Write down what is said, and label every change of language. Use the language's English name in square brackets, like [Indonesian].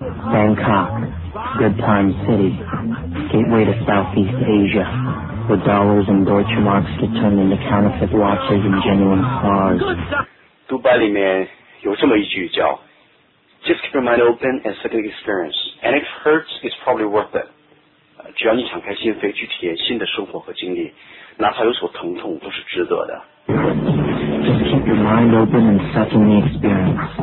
[English] Bangkok, good time city, gateway to Southeast Asia, where dollars and Deutsche Marks get turned into counterfeit watches and genuine cars. [Chinese] 独白里面有这么一句叫 [English] Just keep your mind open and second experience, and if it hurts, it's probably worth it. [Chinese] 只要你敞开心扉去体验新的生活和经历，哪怕有所疼痛都是值得的。 [English] Just keep your mind open and suck in the experience.